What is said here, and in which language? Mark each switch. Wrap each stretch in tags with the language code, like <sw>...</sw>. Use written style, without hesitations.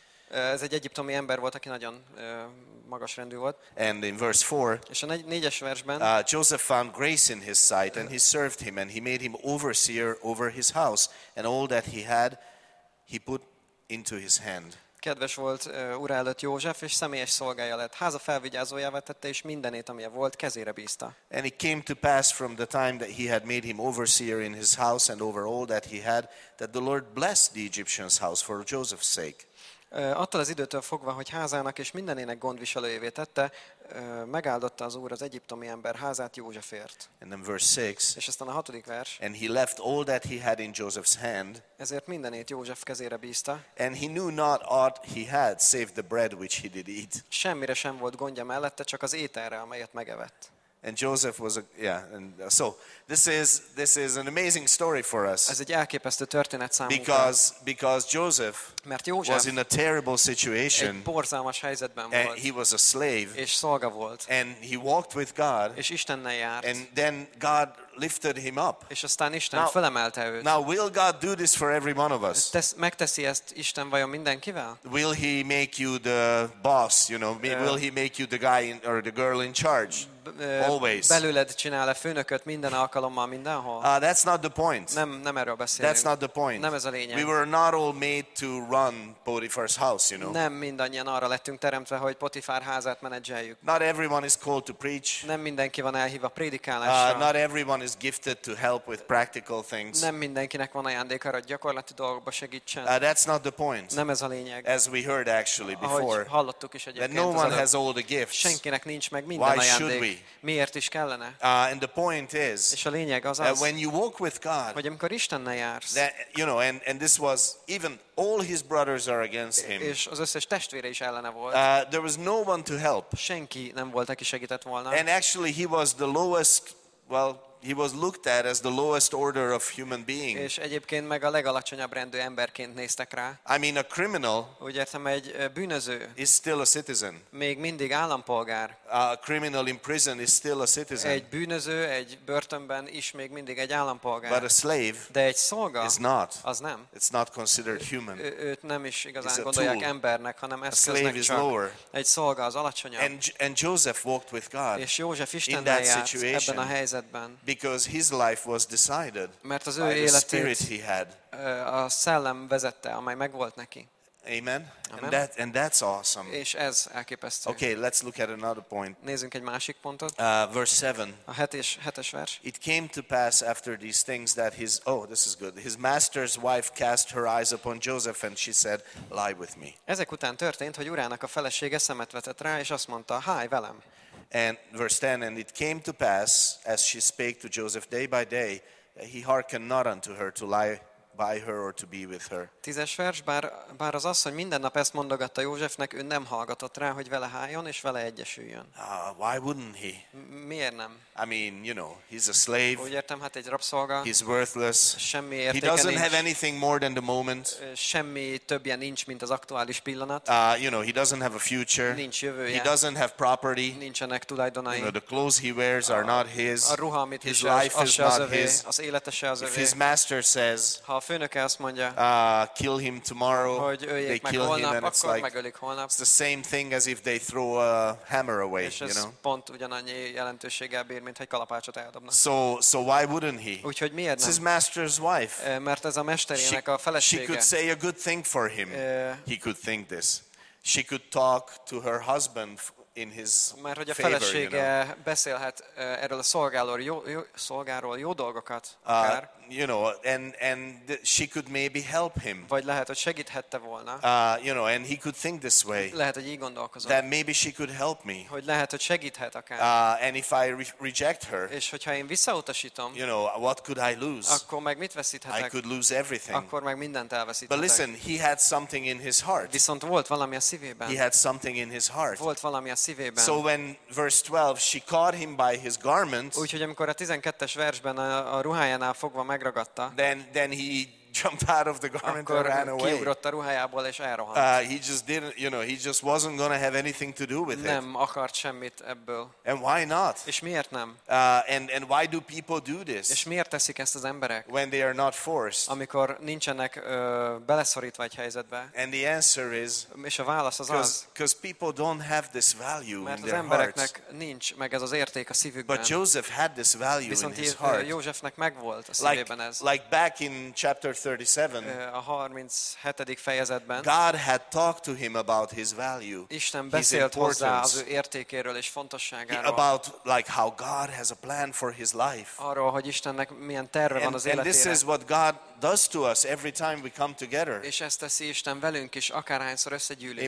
<hu>Ez egy egyiptomi ember volt, aki nagyon magas rendű volt.</hu> <en>And in verse 4.</en> <hu>És a négyes versben.</hu> <en>Joseph found grace in his sight, and he served him, and he made him overseer over his house, and all that he had, he put into his hand.</en> <hu>Kedves volt ura előtt József, és személyes szolgája lett. Háza felvigyázójává tette, és mindenét, ami volt, kezére bízta.</hu> <en>And it came to pass from the time that he had made him overseer in his house and over all that he had, that the Lord blessed the Egyptian's house for Joseph's sake.</en> <hu>Attól az időtől fogva, hogy házának és mindenének gondviselőjévé tette, megáldotta az Úr az egyiptomi ember házát Józsefért.</hu> <en>And then verse 6.</en> <hu>És aztán a hatodik vers.</hu> <en>And he left all that he had in Joseph's hand.</en> <hu>Ezért mindenét József kezére bízta.</hu> <en>And he knew not aught he had, save the bread which he did eat.</en> <hu>Semmire sem volt gondja mellette, csak az ételre, amelyet megevett.</hu> <en>And Joseph was so this is an amazing story for us.</en> <hu>Ez egy elképesztő történet számunkra.</hu> <en>Because Joseph,</en> <hu>mert József</hu> <en>was in a terrible situation.</en> <hu>Egy borzalmas helyzetben volt.</hu> <en>And he was a slave.</en> <hu>És szolga volt.</hu> <en>And he walked with God.</en> <hu>És Istennel járt.</hu> <en>And then God lifted him up.</en> <hu>És aztán Isten</hu> <en>now,</en> <hu>felemelte őt.</hu> <en>Now will God do this for every one of us?</en> <hu>Megteszi ezt Isten vajon mindenkivel?</hu> <en>Will he make you the boss, you know? Will he make you the guy in, or the girl in charge? Always.</en> <hu>Belőled csinál a főnököt minden alkalommal mindenhol.</hu> <en>That's not the point.</en> <hu>Nem erről beszélünk.</hu> <en>That's not the point.</en> <hu>Nem ez a lényeg.</hu> <en>We were not all made to run Potiphar's house, you know.</en> <hu>Nem mindannyian arra lettünk teremtve, hogy Potifár házát menedzseljük.</hu> <en>Not everyone is called to preach.</en> <hu>Nem mindenki van elhívva prédikálásra.</hu> <en>Not everyone is gifted to help with practical things.</en> <hu>Nem mindenkinek van ajándék arra, hogy gyakorlati dolgokba segítsen.</hu> <en>That's not the point.</en> <hu>Nem ez a lényeg.</hu> <en>As we heard actually before.</en> <hu>Ahogy hallottuk is egyébként.</hu> <en>That no one has all the gifts.</en> <hu>Senkinek nincs meg minden ajándék.</hu> <en>Why should we?</en> <hu>Miért is kellene?</hu> <en>And the point is,</en> <hu>és a lényeg az,</hu> <en>when you walk with God,</en> <hu>hogy amikor Istennel jársz,</hu> <en>that, you know, and this was even all his brothers are against him.</en> <hu>És az összes testvére is ellene volt.</hu> <en>There was no one to help.</en> <hu>Senki nem volt, aki segített volna.</hu> <en>And actually, he was the lowest. Well, he was looked at as the lowest order of human being.</en> <hu>És egyébként meg a legalacsonyabb rendű emberként néztek rá.</hu> <en>I mean, a criminal.</en> <hu>Úgy értem, egy bűnöző.</hu> <en>Is still a citizen.</en> <hu>Még mindig állampolgár.</hu> <en>A criminal in prison is still a citizen.</en> <hu>Egy bűnöző egy börtönben is még mindig egy állampolgár.</hu> <en>But a slave.</en> <hu>De egy szolga.</hu> <en>Is not.</en> <hu>Az nem.</hu> <en>It's not considered human.</en> <hu>Őt nem is igazán gondolják embernek, hanem eszköznek.</hu> <en>A slave is lower.</en> <hu>Egy szolga az alacsonyabb.</hu> <en>And Joseph walked with God.</en> <hu>És József Istennel járt ebben a helyzetben.</hu> <en>Because his life was decided</en> <hu>mert az</hu> <en>by the</en> <hu>életét,</hu> <en>spirit he had.</en> <hu>A szellem vezette, amely megvolt neki.</hu> <en>Amen. And that's awesome.</en> <hu>És ez elképesztő.</hu> <en>Okay, let's look at another point.</en> <hu>Nézzünk egy másik pontot.</hu> <en>Verse 7.</en> <hu>A hetes vers.</hu> <en>It came to pass after these things that his master's wife cast her eyes upon Joseph and she said, lie with me.</en> <hu>Ezek után történt, hogy urának a felesége szemet vetett rá, és azt mondta, hálj velem.</hu> <en>And verse 10, and it came to pass, as she spake to Joseph day by day, that he hearkened not unto her to lie by her or to be with her.</en> <hu>10. vers, bár az asszony minden nap ezt mondogatta Józsefnek, ő nem hallgatott rá, hogy vele háljon és vele egyesüljön.</hu> <en>Why wouldn't he?</en> <hu>Miért nem?</hu> <en>I mean, you know, he's a slave.</en> <hu>Úgy értem, hát egy rabszolga.</hu> <en>He's worthless.</en> <hu>Semmi értéke nincs.</hu> <en>He doesn't have anything more than the moment.</en> <hu>Semmi többje nincs, mint az aktuális pillanat.</hu> <en>You know, he doesn't have a future.</en> <hu>Nincs jövője.</hu> <en>He doesn't have property.</en> <hu>Nincsenek tulajdonai.</hu> <en>You know, the clothes he wears are not his.</en> <hu>A ruha, amit visel, az se az övé. Az élete se az övé.</hu> <en>If his master says,</en> <hu>ha a főnöke azt mondja,</hu> <en>kill him tomorrow,</en> <hu>hogy öljék</hu> <en>they</en> <hu>meg</hu> <en>kill</en> <hu>holnap,</hu> <en>him, and</en> <hu>akkor</hu> <en>like,</en> <hu>megölik holnap.</hu> <en>It's the same thing as if they throw a hammer away, you know.</en> <hu>És ez pont ugyanannyi jelentőséggel bír, mint egy kalapácsot eldobnak.</hu> <en>So why wouldn't he?</en> <hu>Úgyhogy miért nem?</hu> <en>His master's wife.</en> <hu>Mert ez a mesterének a felesége.</hu> <en>She could say a good thing for him. He could think this. She could talk to her husband in his favor.</en> <hu>Mert hogy a felesége</hu> <en>favor, you know?</en> <hu>Beszélhet erről a szolgáról jó dolgokat, akár.</hu> <en>You know, and she could maybe help him.</en> <hu>Vagy lehet, hogy segíthette volna.</hu> <en>You know, and he could think this way.</en> <hu>Lehet, hogy így gondolkozom.</hu> <en>That maybe she could help me.</en> <hu>Hogy lehet, hogy segíthet akár.</hu> <en>And if I reject her.</en> <hu>És hogyha én visszautasítom.</hu> <en>You know, what could I lose?</en> <hu>Akkor meg mit veszíthetek?</hu> <en>I could lose everything.</en> <hu>Akkor meg mindent elveszíthetek.</hu> <en>But listen, he had something in his heart.</en> <hu>Viszont volt valami a szívében.</hu> <en>He had something in his heart.</en> <hu>Volt valami a szívében.</hu> <en>So when verse 12, she caught him by his garment.</en> <hu>Úgyhogy amikor a 12-es versben a ruhájánál fogva meg.</hu> <en>Then he jumped out of the garment</en> <hu>akkor</hu> <en>and ran away.</en> <hu>Kiugrott a ruhájából és elrohant.</hu> <en>He just didn't, you know, he just wasn't going to have anything to do with</en> <hu>nem</hu> <en>it.</en> <hu>Nem akart semmit ebből.</hu> <en>And why not?</en> <hu>És miért nem?</hu> <en>And why do people do this?</en> <hu>És miért teszik ezt az emberek?</hu> <en>When they are not forced.</en> <hu>Amikor nincsenek beleszorítva egy helyzetbe.</hu> <en>And the answer is.</en> <hu>És a válasz az az.</hu> <en>Because people don't have this value in their hearts.</en> <hu>Mert az embereknek nincs meg ez az érték a szívükben.</hu> <en>But Joseph had this value</en> <hu>viszont</hu> <en>in his heart.</en> <hu>Viszont Józsefnek megvolt a szívében ez.</hu> <en>Like back in chapter 37.</en> <hu>A 37. fejezetben.</hu> <en>God had talked to him about his value.</en> <hu>Isten beszélt hozzá az ő értékéről és fontosságáról.</hu> <en>About like how God has a plan for his life.</en> <hu>Arról, hogy Istennek milyen terve van az életére.</hu> <en>And this is what God does to us every time we come together.</en> <hu>És ezt teszi Isten velünk is, akárhányszor összegyűlünk.</hu>